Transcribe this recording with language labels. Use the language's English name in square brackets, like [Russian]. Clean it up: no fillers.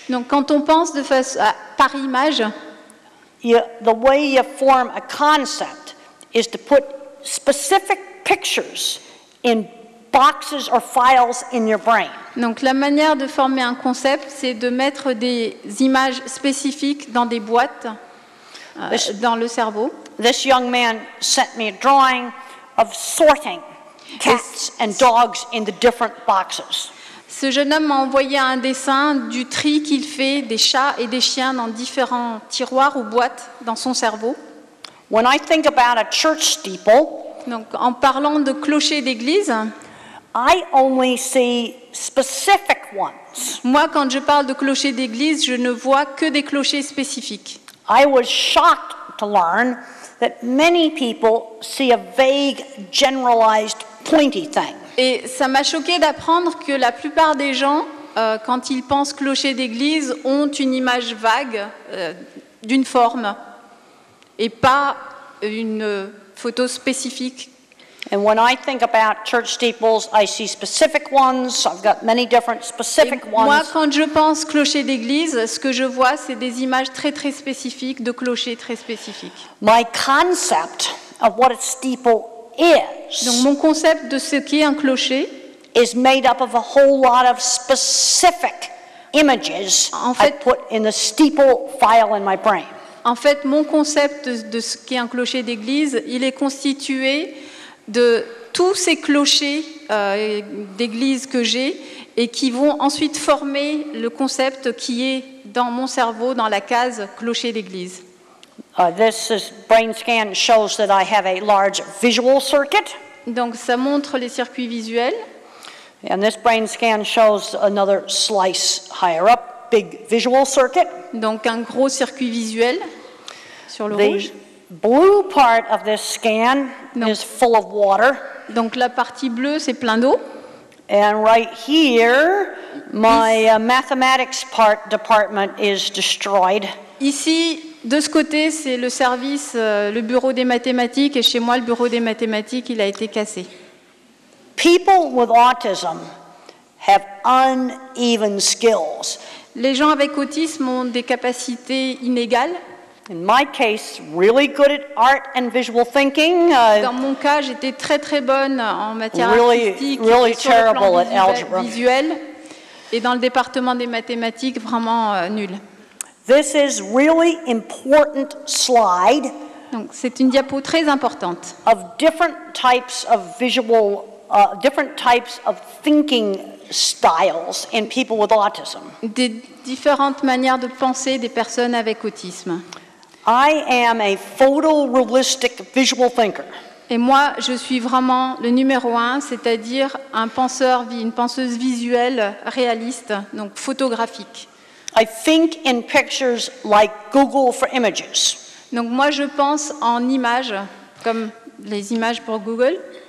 [French] Donc quand on pense de face par image. [English] The way you form a concept is to put specific pictures in boxes or files in your brain. [French] Donc la manière de former un concept, c'est de mettre des images spécifiques dans des boîtes dans le cerveau. [English] This young man sent me a drawing of sorting cats and dogs in the different boxes. [French] Ce jeune homme m'a envoyé un dessin du tri qu'il fait des chats et des chiens dans différents tiroirs ou boîtes dans son cerveau. [English] When I think about a church steeple, [French] donc en parlant de clocher d'église, [English] I only see specific ones. [French] Moi, quand je parle de clochers d'église, je ne vois que des clochers spécifiques. [English] I was shocked to learn that many people see a vague, generalized, pointy thing. [French] Et ça m'a choqué d'apprendre que la plupart des gens, quand ils pensent clocher d'église, ont une image vague d'une forme et pas une photo spécifique. [English] And when I think about church steeples, I see specific ones. I've got many different specific ones. [French] Moi, quand je pense clocher d'église, ce que je vois, c'est des images très très spécifiques de clochers très spécifiques. [English] My concept of what a steeple is. [French] Donc mon concept de ce qu'est un clocher [English] is made up of a whole lot of specific images [French] en fait, [English] I put in the steeple file in my brain. [French] En fait, mon concept de ce qu'est un clocher d'église, il est constitué de tous ces clochers d'église que j'ai et qui vont ensuite former le concept qui est dans mon cerveau, dans la case clocher d'église. [English] This is brain scan shows that I have a large visual circuit. [French] Donc ça montre les circuits visuels. [English] And this brain scan shows another slice higher up, big visual circuit. [French] Donc un gros circuit visuel sur le [English] the [French] rouge. [English] Blue part of this scan [French] donc, [English] is full of water. [French] Donc la partie bleue c'est plein d'eau. [English] And right here my mathematics part department is destroyed. [French] Ici de ce côté, c'est le service, le bureau des mathématiques, et chez moi, le bureau des mathématiques, il a été cassé. [English] People with autism have uneven skills. [French] Les gens avec autisme ont des capacités inégales. [English] In my case, really good at art and visual thinking. [French] Dans mon cas, j'étais très très bonne en matière [English] really, [French] artistique, [English] really [French] et sur le plan [English] algebra. [French] Visuel, et dans le département des mathématiques, vraiment nulle. [English] This is really important slide. [French] Donc c'est une diapo très importante. [English] Of different types of visual different types of thinking styles in people with autism. [French] Des différentes manières de penser des personnes avec autisme. [English] I am a photorealistic visual thinker. [French] Et moi je suis vraiment le numéro un, c'est-à-dire un penseur une penseuse visuelle réaliste, donc photographique. [English] I think in pictures like Google for images. [French] Donc moi je pense en images comme les images pour Google.